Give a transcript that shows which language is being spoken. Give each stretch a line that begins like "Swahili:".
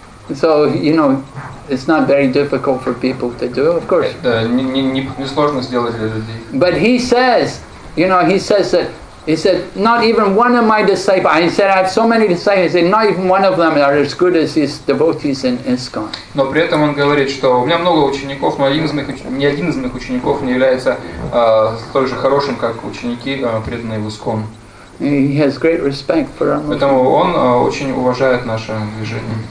English: So, you know, it's not very difficult for people to do, of course.
Russian: Да, не сложно сделать для людей.
English: But he says, you know, he said, not even one of my disciples. He said, I have so many disciples. He said, not even one of them are as good as his devotees in ISKCON.
Russian: Но при этом он говорит, что у меня много учеников, но ни один из моих учеников не является столь же хорошим, как ученики преданные в ISKCON.
English: He has great respect for our.
Russian: Поэтому он очень уважает наше движение.